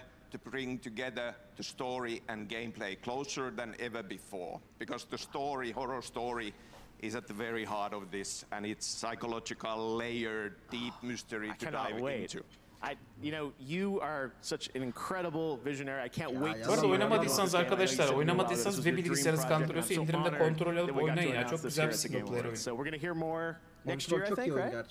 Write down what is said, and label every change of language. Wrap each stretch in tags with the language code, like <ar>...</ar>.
<en>To bring together the story and gameplay closer than ever before, because the story, horror story, is at the very heart of this, and it's psychological layer, deep mystery to dive into. I, you know, you are such an incredible visionary. I can't wait.</en> <tr>Bu arada oynamadıysanız arkadaşlar, oynamadıysanız ve bilgisayarınız kandırıyorsa indirimde kontrol alıp oynayın ya. Çok güzel bir single player oyun.</tr> <en>So we're gonna hear more next year, I think, right?</en>